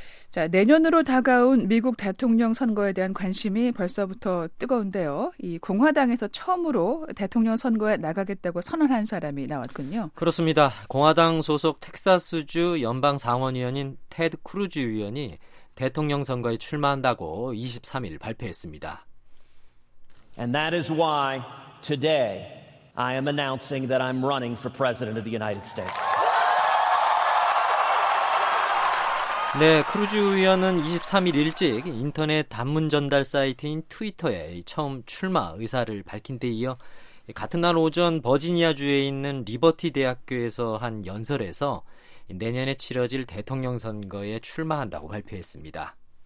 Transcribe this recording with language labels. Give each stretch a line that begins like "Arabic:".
Korean: 자, 내년으로 다가온 미국 대통령 선거에 대한 관심이 벌써부터 뜨거운데요. 이 공화당에서 처음으로 대통령 선거에 나가겠다고 선언한 사람이 나왔군요. 그렇습니다. 공화당 소속 텍사스주 연방 상원의원인 테드 크루즈 의원이 대통령 선거에 출마한다고 23일 발표했습니다.
English: And that is why today I am announcing that I'm running for president of the United States.
Korean: 네, 크루즈 의원은 23일 일찍 인터넷 단문 전달 사이트인 트위터에 처음 출마 의사를 밝힌 데 이어 같은 날 오전 버지니아주에 있는 리버티 대학교에서 한 연설에서 내년에 치러질 대통령 선거에 출마한다고 발표했습니다.